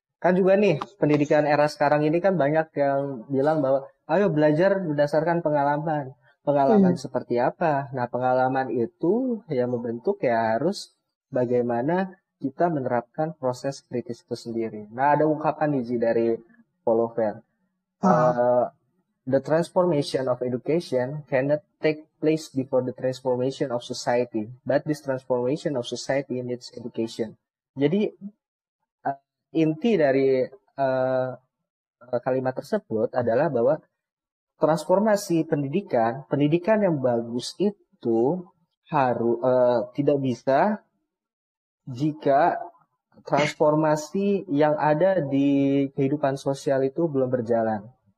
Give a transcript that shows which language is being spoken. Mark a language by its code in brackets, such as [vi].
[id] Kan juga nih, pendidikan era sekarang ini kan banyak yang bilang bahwa ayo belajar berdasarkan pengalaman. Pengalaman seperti apa? Nah, pengalaman itu yang membentuk ya harus bagaimana kita menerapkan proses kritis itu sendiri. Nah, ada ungkapan di sini dari Paulo Freire. [en] The transformation of education cannot take place before the transformation of society, but this transformation of society needs education. [id] Jadi, inti dari kalimat tersebut adalah bahwa transformasi pendidikan yang bagus itu harus tidak bisa jika transformasi yang ada di kehidupan sosial itu belum berjalan.